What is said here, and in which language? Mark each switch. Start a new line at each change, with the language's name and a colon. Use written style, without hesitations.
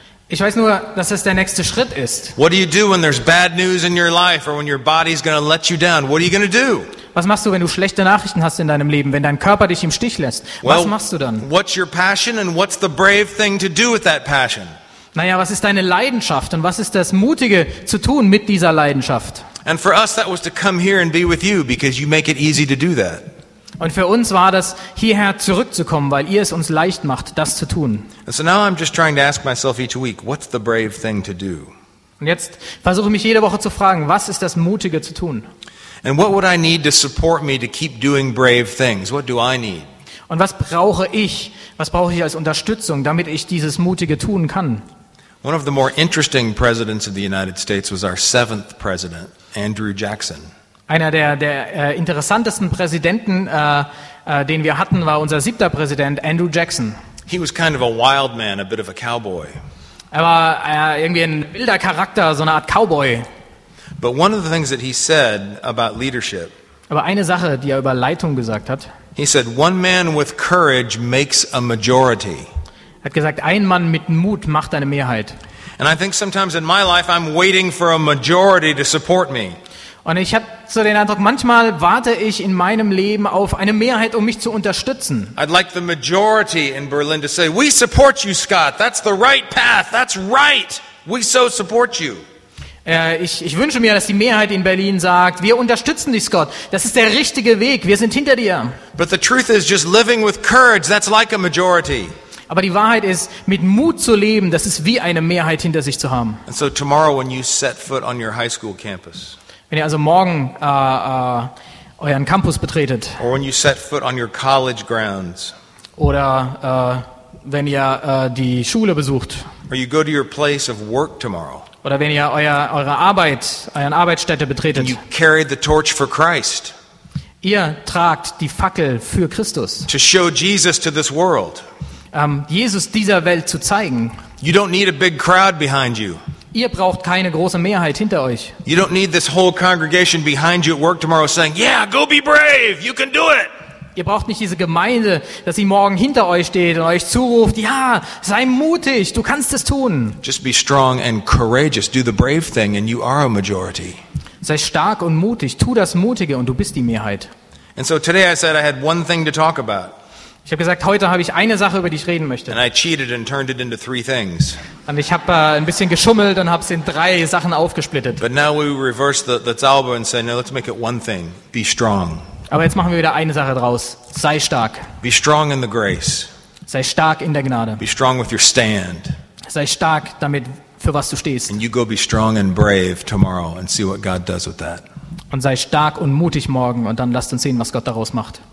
German: Ich weiß nur, dass es der nächste Schritt ist.
English: What do you do when there's bad news in your life or when your body's going to let you down? What are you going to do?
German: Was machst du, wenn du schlechte Nachrichten hast in deinem Leben, wenn dein Körper dich im Stich lässt?
English: Well,
German: was machst du dann?
English: What's your passion and what's the brave thing to do with that passion?
German: Naja, was ist deine Leidenschaft und was ist das Mutige zu tun mit dieser Leidenschaft?
English: And for us, that was to come here and be with you, because you make it easy to do that.
German: Und für uns war das, hierher zurückzukommen, weil ihr es uns leicht macht, das zu tun.
English: And so now I'm just trying to ask myself each week, what's the brave thing to do?
German: Und jetzt versuche ich mich jede Woche zu fragen, was ist das Mutige zu tun?
English: And what would I need to support me to keep doing brave things? What do I need?
German: Und was brauche ich? Was brauche ich als Unterstützung, damit ich dieses Mutige tun kann?
English: One of the more interesting presidents of the United States was our 7th president, Andrew Jackson.
German: Einer der interessantesten Präsidenten, den wir hatten, war unser 7. Präsident Andrew Jackson.
English: He was kind of a wild man, a bit of a cowboy.
German: Er war irgendwie ein wilder Charakter, so eine Art Cowboy.
English: But one of the things that he said about leadership.
German: Aber eine Sache, die er über Leitung gesagt hat.
English: He said, "One man with courage makes a majority."
German: Er hat gesagt, ein Mann mit Mut macht eine Mehrheit.
English: And I think sometimes in my life I'm waiting for a majority to support me.
German: Und ich habe so den Eindruck, manchmal warte ich in meinem Leben auf eine Mehrheit, um mich zu unterstützen.
English: I'd like the majority in Berlin to say, "We support you, Scott. That's the right path. That's right. We so support you."
German: Ich wünsche mir, dass die Mehrheit in Berlin sagt, wir unterstützen dich, Scott. Das ist der richtige Weg. Wir sind hinter dir.
English: But the truth is, just living with courage, that's like a majority.
German: Aber die Wahrheit ist, mit Mut zu leben, das ist wie eine Mehrheit hinter sich zu haben.
English: And so tomorrow when you set foot on your high school campus.
German: Wenn ihr also morgen euren Campus betretet.
English: Or when you set foot on your college grounds.
German: Oder wenn ihr die Schule besucht.
English: Or you go to your place of work tomorrow.
German: Oder wenn ihr euren Arbeitsstätte betretet.
English: And you carry the torch for Christ.
German: Ihr tragt die Fackel für Christus.
English: To show Jesus to this world.
German: Jesus dieser Welt zu zeigen.
English: You don't need a big crowd behind you.
German: Ihr braucht keine große Mehrheit hinter euch.
English: You don't need this whole congregation behind you at work tomorrow saying, "Yeah, go be brave. You can do it."
German: Ihr braucht nicht diese Gemeinde, dass sie morgen hinter euch steht und euch zuruft, "Ja, sei mutig, du kannst es tun."
English: Just be strong and courageous. Do the brave thing and you are a majority.
German: Sei stark und mutig, tu das Mutige und du bist die Mehrheit.
English: And so today I said I had one thing to talk about.
German: Ich habe gesagt, heute habe ich eine Sache, über die ich reden möchte.
English: And I cheated and turned it into three things.
German: Und ich habe ein bisschen geschummelt und habe es in drei Sachen aufgesplittet.
English: But now we reverse the Zauber and say, no, let's make it one thing. Be strong.
German: Aber jetzt machen wir wieder eine Sache draus. Sei stark.
English: Be strong in the grace.
German: Sei stark in der Gnade.
English: Be strong with your stand.
German: Sei stark damit, für was du stehst.
English: And you go be strong and brave tomorrow and see what God does with that.
German: Und sei stark und mutig morgen und dann lasst uns sehen, was Gott daraus macht.